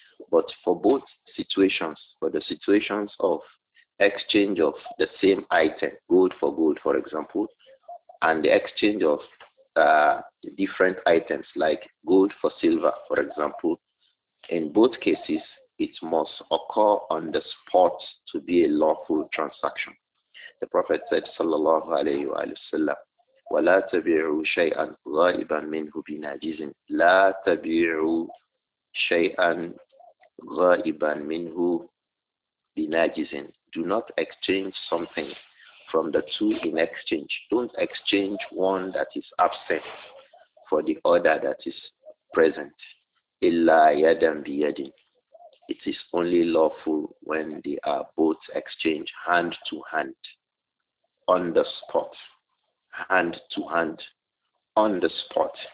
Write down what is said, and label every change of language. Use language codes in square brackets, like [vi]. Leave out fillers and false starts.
[en] But for both situations, for the situations of exchange of the same item, gold for gold, for example, and the exchange of different items, like gold for silver, for example, in both cases, it must occur on the spot to be a lawful transaction. The Prophet said, [ar] sallallahu alayhi wa sallam, وَلَا تَبِعُوا شَيْئًا غَائِبًا مِنْهُ بِنَاجِزٍ لَا تَبِعُوا شَيْئًا غَائِبًا مِنْهُ بِنَاجِزٍ. [en] Do not exchange something from the two in exchange. Don't exchange one that is absent for the other that is present. [ar] إِلَّا يَدًا بِيَدٍ. [en] It is only lawful when they are both exchanged hand to hand, on the spot, hand to hand, on the spot.